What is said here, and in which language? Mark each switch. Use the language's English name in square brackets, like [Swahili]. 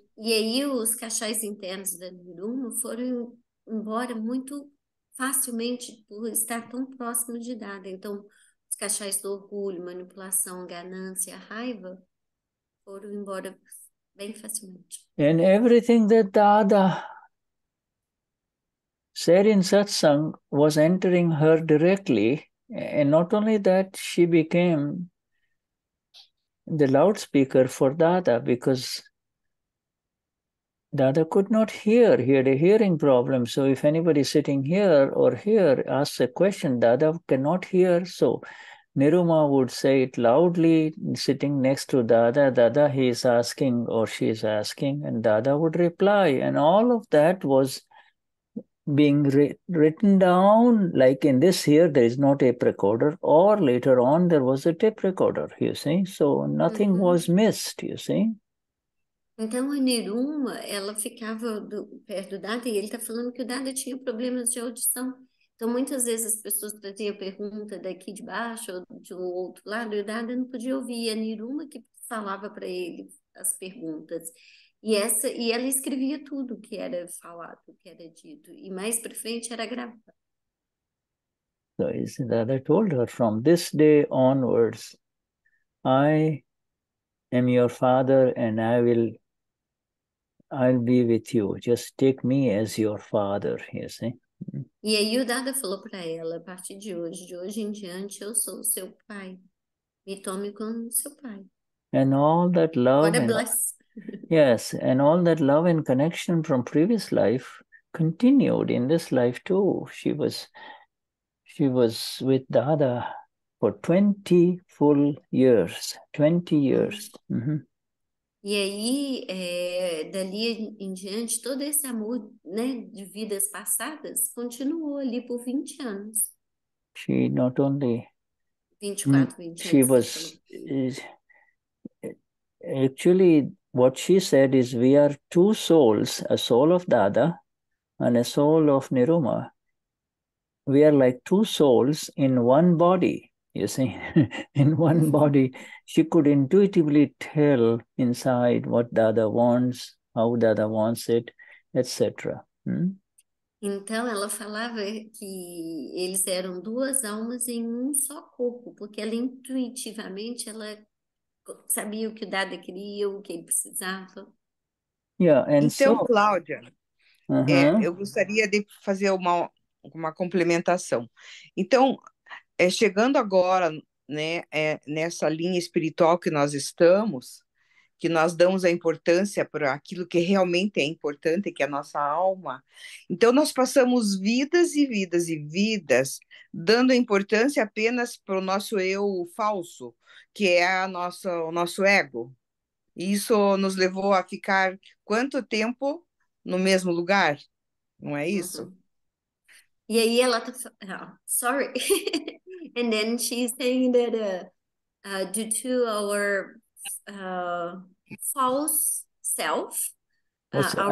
[Portuguese] E aí, os cachais internos da Niruma foram embora muito facilmente por estar tão próximo de Dada. Então, os cachais do orgulho, manipulação, ganância, raiva foram embora bem facilmente. [English] And everything that Dada said in satsang was entering her directly. And not only that, she became the loudspeaker for Dada because Dada could not hear. He had a hearing problem. So if anybody sitting here or here asks a question, Dada cannot hear. So Niruma would say it loudly, sitting next to Dada. Dada, he is asking, or she is asking, and Dada would reply. And all of that was being written down, like in this here, there is not a tape recorder, or later on, there was a tape recorder, you see. So nothing was missed, you see. [Portuguese] Então a Niruma, ela ficava perto do Dada e ele está falando que o Dada tinha problemas de audição. Então muitas vezes as pessoas traziam pergunta daqui de baixo ou de um outro lado e o Dada não podia ouvir. E a Niruma que falava para ele as perguntas. E ela escrevia tudo que era falado, o que era dito. E mais para frente era gravado. [English] So Dada told her, from this day onwards, I am your father, and I'll be with you. Just take me as your father, you see. [Portuguese] E aí o Dada falou para ela, a partir de hoje em diante, eu sou o seu pai. Me tome como seu pai. [English] And all that love, what a and bless. Yes, and all that love and connection from previous life continued in this life too. She was with Dada for 20 full years, 20 years. [Portuguese] E aí, dali em diante, todo esse amor, né, de vidas passadas continuou ali por 20 anos. [English] She not only 24, 20 she [Portuguese] anos, [English] was actually what she said is we are two souls, a soul of Dada and a soul of Niruma. We are like two souls in one body, you see, in one body. She could intuitively tell inside what Dada wants, how Dada wants it, etc. [Portuguese] Então, ela falava que eles eram duas almas em um só corpo, porque ela intuitivamente ela sabia o que o Dada queria, o que ele precisava. [English] Yeah, and [Portuguese] então, [English] so... [Portuguese] Cláudia, eu gostaria de fazer uma complementação. Então, chegando agora, né, nessa linha espiritual que nós estamos, que nós damos a importância para aquilo que realmente é importante, que é a nossa alma. Então, nós passamos vidas e vidas e vidas dando importância apenas para o nosso eu falso, que é o nosso ego. E isso nos levou a ficar quanto tempo no mesmo lugar? Não é isso? E aí ela tá, sorry. [English] And then she's saying that due to our false self, our